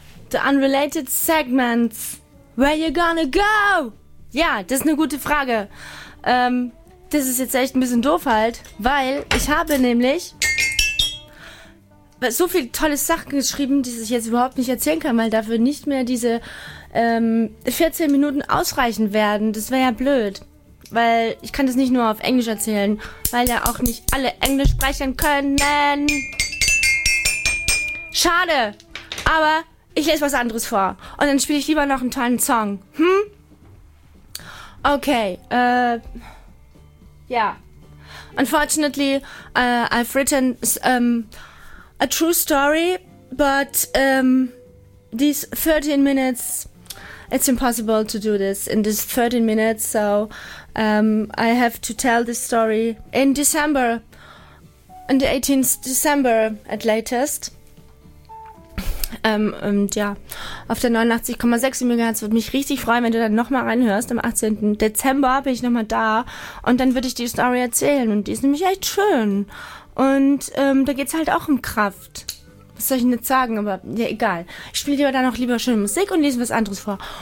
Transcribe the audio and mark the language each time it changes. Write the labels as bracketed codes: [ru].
[en] The unrelated segments. Where you gonna go? [de] Ja, das ist eine gute Frage. Das ist jetzt echt ein bisschen doof halt, weil ich habe nämlich so viele tolle Sachen geschrieben, die ich jetzt überhaupt nicht erzählen kann, weil dafür nicht mehr diese 14 Minuten ausreichen werden. Das wäre ja blöd, weil ich kann das nicht nur auf Englisch erzählen, weil ja auch nicht alle Englisch sprechen können. Schade, aber ich lese was anderes vor und dann spiele ich lieber noch einen tollen Song. [en] Okay, yeah. Unfortunately, I've written a true story, but these 13 minutes, it's impossible to do this in these 13 minutes, so I have to tell this story in December, on the 18th December at latest. [de] Und ja, auf der 89,6 MHz würde mich richtig freuen, wenn du dann nochmal reinhörst. Am 18. Dezember bin ich nochmal da und dann würde ich die Story erzählen. Und die ist nämlich echt schön. Und da geht's halt auch um Kraft. Was soll ich denn jetzt sagen, aber ja, egal. Ich spiele dir aber dann auch lieber schöne Musik und lese was anderes vor.